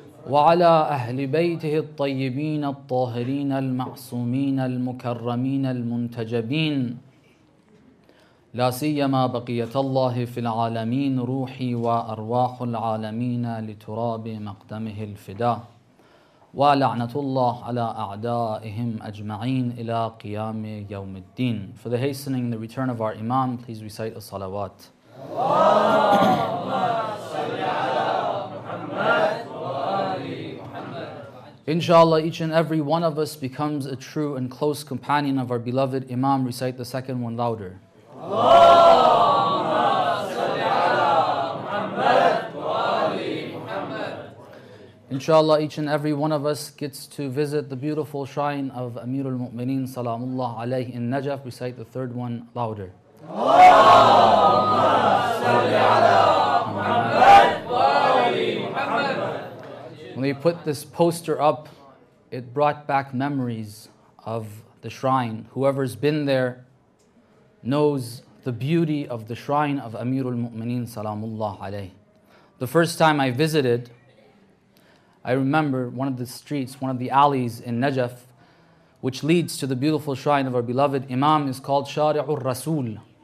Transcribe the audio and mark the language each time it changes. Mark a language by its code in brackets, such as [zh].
[ar] وعلى أهل بيته الطيبين الطاهرين المعصومين المكرمين المنتجبين، لا سيما بقية الله في العالمين روحي وأرواح العالمين لتراب مقدمه الفداء، ولعنة الله على أعدائهم أجمعين إلى قيام يوم الدين. [en] For the hastening the return of our Imam, please recite الصلوات. [ar] اللهم صل على محمد وآل محمد. [en] Inshallah, each and every one of us becomes a true and close companion of our beloved Imam. Recite the second one louder. [ar] اللهم صل على محمد وآل محمد. [en] Inshallah, each and every one of us gets to visit the beautiful shrine of Amir al-Mu'mineen Salamullah alayhi in Najaf. Recite the third one louder. [ar] اللهم صل على محمد وآل محمد. [en] When they put this poster up, it brought back memories of the shrine. Whoever's been there knows the beauty of the shrine of Amir al-Mu'mineen Salamullah alayhi. The first time I visited, I remember one of the streets, one of the alleys in Najaf, which leads to the beautiful shrine of our beloved Imam, is called Shari'ur Rasul.